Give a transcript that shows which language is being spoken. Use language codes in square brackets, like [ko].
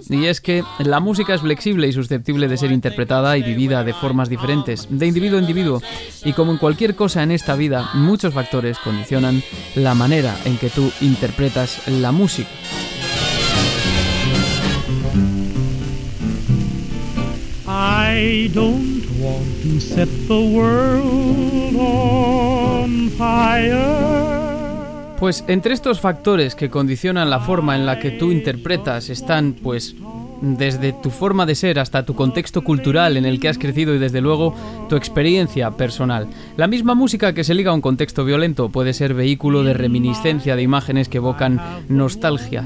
[es] Y es que la música es flexible y susceptible de ser interpretada y vivida de formas diferentes, de individuo a individuo. Y como en cualquier cosa en esta vida, muchos factores condicionan la manera en que tú interpretas la música. [en] I don't want to set the world on fire. [es] Pues entre estos factores que condicionan la forma en la que tú interpretas están, pues, desde tu forma de ser hasta tu contexto cultural en el que has crecido y, desde luego, tu experiencia personal. La misma música que se liga a un contexto violento puede ser vehículo de reminiscencia de imágenes que evocan nostalgia.